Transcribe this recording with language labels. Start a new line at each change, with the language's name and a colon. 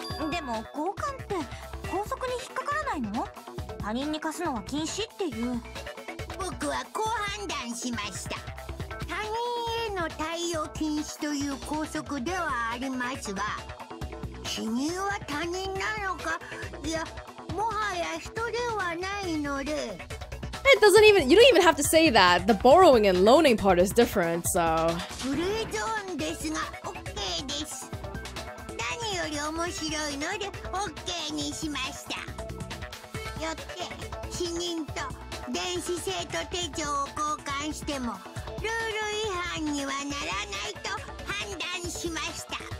Japanese: でも交換って校則に引っかからないの？他人に貸すのは禁止っていう。僕はこう判断しました。他人への貸与禁止という校則ではありますが、記入は他人なのか、いやもはや人ではないので、
English: It doesn't even- you don't even have to say that. The borrowing and loaning part is different, so...
Japanese: グレーゾーンですが、OK です。何より面白いので、OK にしました。よって、死人と電子生徒手帳を交換しても、ルール違反にはならないと判断しました。